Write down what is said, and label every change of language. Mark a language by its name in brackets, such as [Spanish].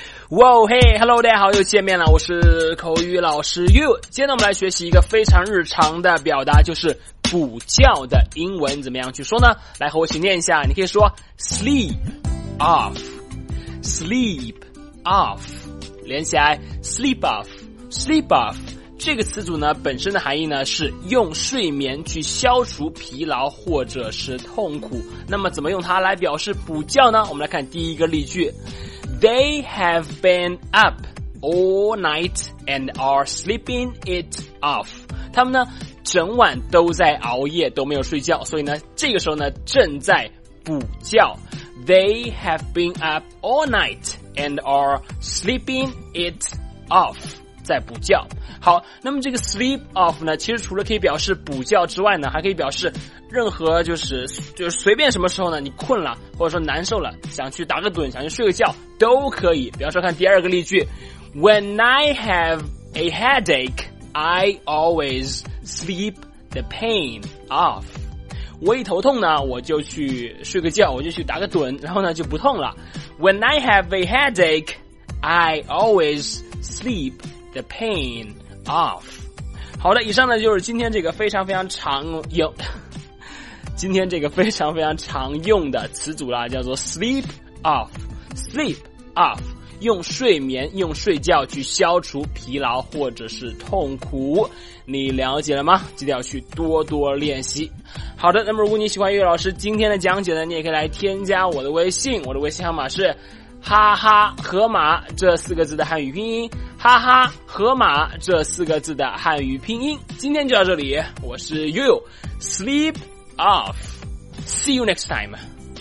[Chinese] 哇嘿 ，Hello， 大家好，又见面了，我是口语老师 You。今天呢，我们来学习一个非常日常的表达，就是补觉的英文怎么样去说呢？来和我一起念一下，你可以说 sleep off， sleep off， 连起来 sleep off， sleep off。这个词组呢，本身的含义呢是用睡眠去消除疲劳或者是痛苦。那么怎么用它来表示补觉呢？我们来看第一个例句。 [English] They have been up all night and are sleeping it off. [Chinese] 他们呢整晚都在熬夜，都没有睡觉，所以呢这个时候呢正在补觉。 [English] They have been up all night and are sleeping it off. [Chinese] 在补觉。好，那么这个 sleep off 呢，其实除了可以表示补觉之外呢，还可以表示任何就是随便什么时候呢，你困了或者说难受了，想去打个盹，想去睡个觉都可以。比方说看第二个例句， [English] When I have a headache, I always sleep the pain off. [Chinese] 我一头痛呢，我就去睡个觉，我就去打个盹，然后呢就不痛了。 [English] When I have a headache, I always sleepThe pain off. [Chinese] 好的，以上呢就是今天这个非常非常常用的词组啦，叫做 sleep off. Sleep off， 用睡眠、用睡觉去消除疲劳或者是痛苦。你了解了吗？记得要去多多练习。好的，那么如果你喜欢岳老师今天的讲解呢，你也可以来添加我的微信，我的微信号码是哈哈河马这四个字的汉语拼音。哈哈河马这四个字的汉语拼音。今天就到这里，我是悠悠 [English] Sleep off. See you next time.